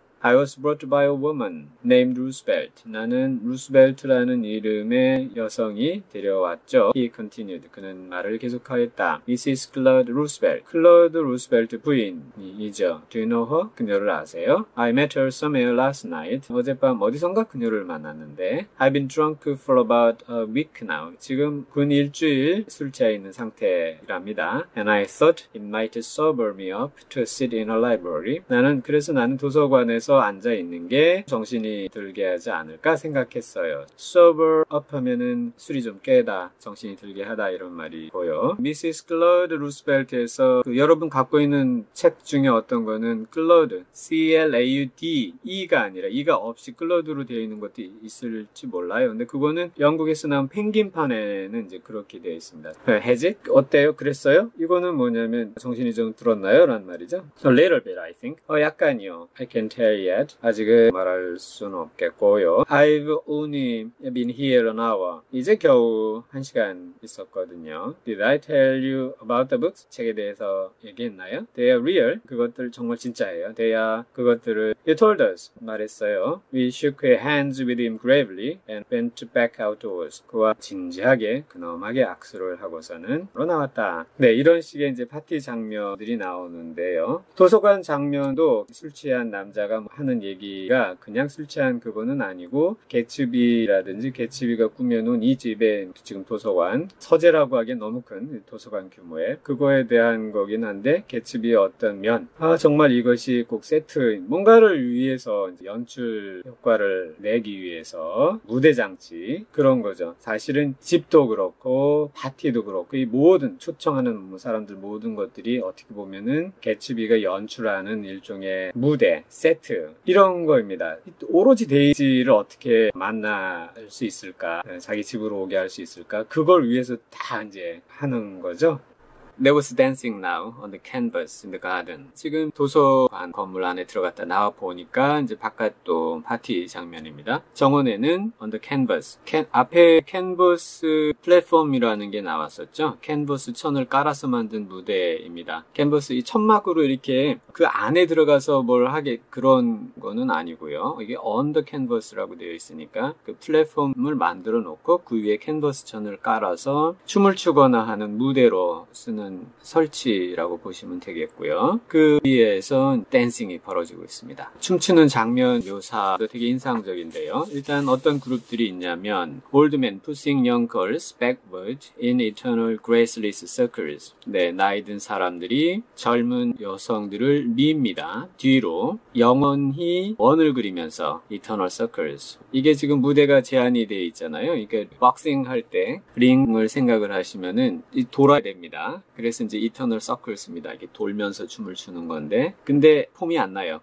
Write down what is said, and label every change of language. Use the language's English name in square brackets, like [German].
[English] I was brought by a woman named Roosevelt. [Korean] 나는 루스벨트라는 이름의 여성이 데려왔죠. [English] He continued. [Korean] 그는 말을 계속하였다. [English] Mrs. Claude Roosevelt. [Korean] Claude Roosevelt 부인이죠. [English] Do you know her? [Korean] 그녀를 아세요? [English] I met her somewhere last night. [Korean] 어젯밤 어디선가 그녀를 만났는데. [English] I've been drunk for about a week now. [Korean] 지금 근 일주일 술 취해 있는 상태랍니다. [English] And I thought it might sober me up to sit in a library. [Korean] 나는 도서관에 앉아 있는 게 정신이 들게 하지 않을까 생각했어요. Sober up 하면은 술이 좀 깨다, 정신이 들게 하다 이런 말이고요. [English] Mrs. [Korean] Claude Roosevelt에서 그 여러분 갖고 있는 책 중에 어떤 거는 Claude, C-L-A-U-D-E가 아니라 E가 없이 Claude로 되어 있는 것도 있을지 몰라요. 근데 그거는 영국에서 나온 펭귄판에는 이제 그렇게 되어 있습니다. [English] Has it? [Korean] 어때요? 그랬어요? 이거는 뭐냐면 정신이 좀 들었나요? 라는 말이죠. [English] A little bit, I think. [Korean] 약간이요. [English] I can't tell yet. [Korean] 아직은 말할 수는 없겠고요. [English] I've only been here an hour. [Korean] 이제 겨우 한 시간 있었거든요. [English] Did I tell you about the books? [Korean] 책에 대해서 얘기했나요? [English] They are real. [Korean] 그것들 정말 진짜예요. [English] They are [Korean] 그것들을 [English] You told us. [Korean] 말했어요. [English] We shook hands with him gravely and went back outdoors. [Korean] 그와 진지하게 근엄하게 악수를 하고서는 로 나왔다. 네, 이런 식의 이제 파티 장면들이 나오는데요. 도서관 장면도 술 취한 남자가 하는 얘기가 그냥 술 취한 그거는 아니고 개츠비라든지 개츠비가 꾸며놓은 이 집에 지금 도서관 서재라고 하기엔 너무 큰 도서관 규모에 그거에 대한 거긴 한데 개츠비의 어떤 면 아 정말 이것이 꼭 세트 뭔가를 위해서 이제 연출 효과를 내기 위해서 무대 장치 그런 거죠. 사실은 집도 그렇고 파티도 그렇고 이 모든 초청하는 사람들 모든 것들이 어떻게 보면은 개츠비가 연출하는 일종의 무대 세트 이런 거입니다. 오로지 데이지를 어떻게 만날 수 있을까? 자기 집으로 오게 할 수 있을까? 그걸 위해서 다 이제 하는 거죠. [English] There was dancing now on the canvas in the garden. [Korean] 지금 도서관 건물 안에 들어갔다 나와 보니까 이제 바깥 또 파티 장면입니다. 정원에는 on the canvas. 앞에 canvas platform이라는 게 나왔었죠. canvas 천을 깔아서 만든 무대입니다. canvas 이 천막으로 이렇게 그 안에 들어가서 뭘 하게 그런 거는 아니고요. 이게 on the canvas라고 되어 있으니까 그 플랫폼을 만들어 놓고 그 위에 canvas 천을 깔아서 춤을 추거나 하는 무대로 쓴 설치라고 보시면 되겠고요. 그 위에서 댄싱이 벌어지고 있습니다. 춤추는 장면 묘사도 되게 인상적인데요. 일단 어떤 그룹들이 있냐면 [English] Old Men Pushing Young Girls Backward in Eternal Graceless Circles. [Korean] 네, 나이 든 사람들이 젊은 여성들을 밉니다. 뒤로 영원히 원을 그리면서 Eternal Circles. 이게 지금 무대가 제한이 되어 있잖아요. 그러니까 박싱 할 때 링을 생각을 하시면은 돌아야 됩니다. 그래서 이제 이터널 서클스입니다. 이렇게 돌면서 춤을 추는 건데 근데 폼이 안 나요.